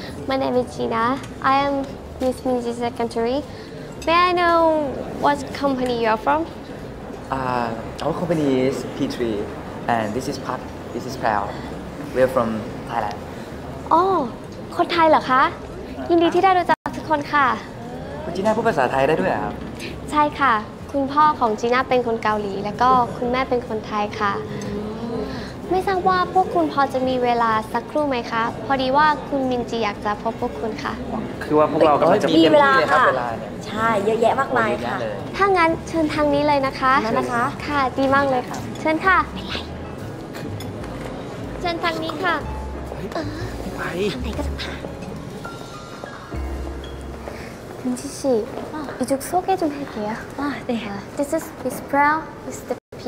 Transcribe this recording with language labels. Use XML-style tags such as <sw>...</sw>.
<en>My name is Gina I am Miss Min-ji's secretary May I know what company you are from Our company is P3 and this is Pat this is Pal We are from Thailand</en> <th>Oh คนไทยเหรอคะยินดีที่ได้รู้จักทุกคนค่ะ คุณจีน่าพูดภาษาไทยได้ด้วยเหรอ ใช่ค่ะคุณพ่อของจีน่าเป็นคนเกาหลีแล้วก็คุณแม่เป็นคนไทยค่ะไม่ทราบว่าพวกคุณพอจะมีเวลาสักครู่ไหมคะพอดีว่าคุณมินจีอยากจะพบพวกคุณค่ะ คือว่าพวกเรากำลังจะ มีเวลาค่ะใช่เยอะแยะมากมายค่ะ ถ้างั้นเชิญทางนี้เลยนะคะ นั่นนะคะ ค่ะดีมากเลยค่ะเชิญค่ะเชิญทางนี้ค่ะ ไป ทางไหนก็จะผ่าน</th> <ko>민지 씨, 이쪽 소개 좀 해드릴게요. 아, 네.</ko> <en>This is Miss Brown, this is the P3.</en>